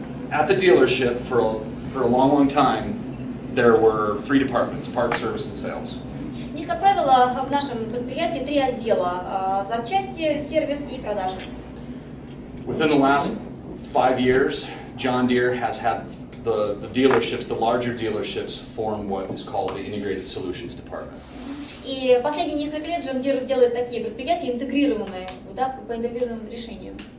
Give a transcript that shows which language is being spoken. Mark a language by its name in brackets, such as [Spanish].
[English] At the dealership for a long, long time, there were three departments: parts, service, and sales. [Russian] Здесь, как правило, в нашем предприятии три отдела: запчасти, сервис и продажи. [English] Within the last 5 years, John Deere has had the dealerships, the larger dealerships, form what is called the Integrated Solutions Department. [Russian] И последние несколько лет John Deere делает такие предприятия интегрированные, да, по интегрированным решениям.